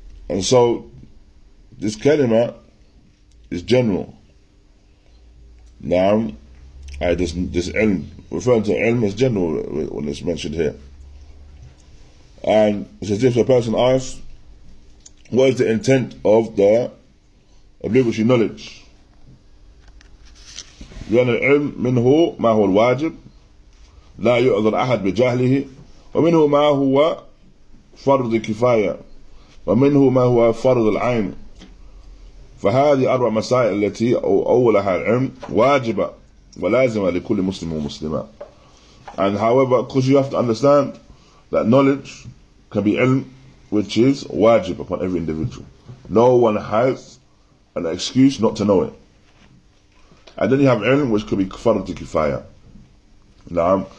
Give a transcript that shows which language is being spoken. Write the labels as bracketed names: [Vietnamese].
[English] And so, this kalima is general. Now, this ilm, referring to ilm as general when it's mentioned here. And it's as if the person asks, what is the intent of the obligatory knowledge. [Arabic] لأن العلم منه ما هو الواجب لا يؤذر أحد بجهله ومنه ما هو فرض كفاية ومنه ما هو فرض العين. فهذه أربع مسائل التي أولها العلم واجبة ولازمة لكل مسلم ومسلمة. [English] And however, because you have to understand that knowledge can be علم, which is واجب upon every individual. No one has an excuse not to know it. And then you have ilm, which could be fard kifaya. Naam.